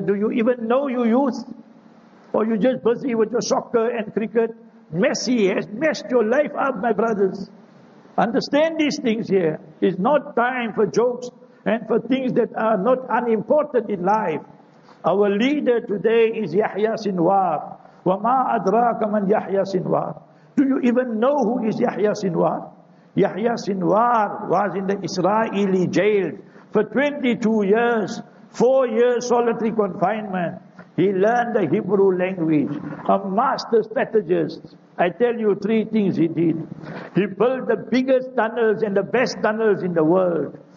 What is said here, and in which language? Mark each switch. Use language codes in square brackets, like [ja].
[en] Do you even know, you youth? Or you just busy with your soccer and cricket? Messi has messed your life up, my brothers. Understand these things here. It's not time for jokes and for things that are not unimportant in life. Our leader today is Yahya Sinwar. [ar] وَمَا أَدْرَاكَ مَنْ يَحْيَى Sinwar. [en] Do you even know who is Yahya Sinwar? Yahya Sinwar was in the Israeli jail for 22 years, 4 years solitary confinement. He learned the Hebrew language, a master strategist. I tell you three things he did. He built the biggest tunnels and the best tunnels in the world.